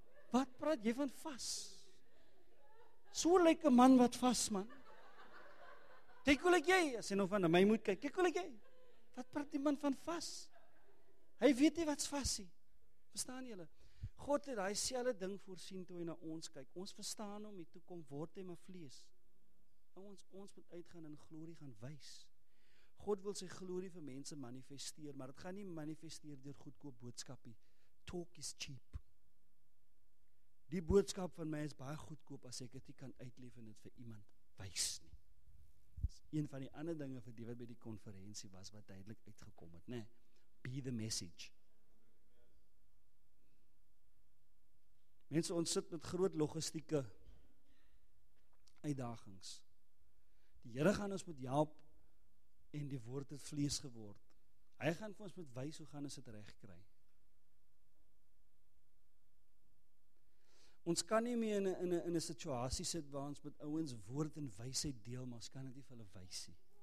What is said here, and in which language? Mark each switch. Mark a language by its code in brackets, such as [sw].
[af] Wat praat jy van vas? So lyk 'n man wat vas, man. Kyk hoe lyk jy, as jy nou van my moet kyk. Kyk hoe lyk jy. Wat praat die man van vas? Hy weet nie wat's vas nie. Verstaan julle? God het daai selfde ding voorsien toe hy na ons kyk. Ons verstaan hom, die toekom word hy maar vlees. Ons moet uitgaan en glorie gaan wys. God wil sy glorie vir mense manifesteer, maar dit gaan nie manifesteer deur goedkoop boodskapie. [en] Talk is cheap. [af] Die boodskap van my is baie goedkoop as ek dit nie kan uitleef en dit vir iemand wys nie. Dit is een van die ander dinge vir die wat by die konferensie was wat duidelik uitgekom het, nê? [en] Be the message. [af] Mense, ons sit met groot logistieke uitdagings. Die Here gaan ons moet help en die woord het vlees geword. Hy gaan vir ons moet wys hoe gaan ons dit reg kry. Ons kan nie meer in 'n situasie sit waar ons met ouens woord en wysheid deel, maar ons kan dit nie vir hulle wys nie.